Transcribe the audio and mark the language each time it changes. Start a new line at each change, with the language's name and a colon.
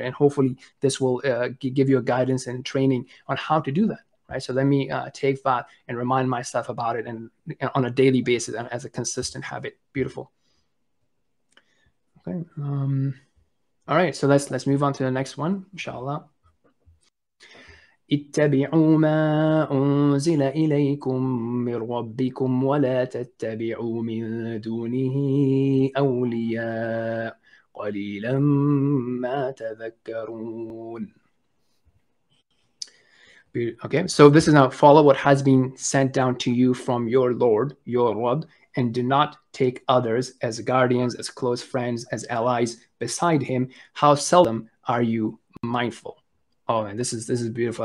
English: And hopefully this will give you a guidance and training on how to do that. Right. So let me take that and remind myself about it and on a daily basis and as a consistent habit. Beautiful. Okay. All right. So let's move on to the next one, inshallah.
Arabic: اتبعوا ما أنزل إليكم من ربكم ولا تتبعوا من دونه أولياء قليلا ما تذكرون.
English: Okay, so this is now follow what has been sent down to you from your Lord, your Rabb, and do not take others as guardians, as close friends, as allies beside him. How seldom are you mindful? Oh man, this is beautiful.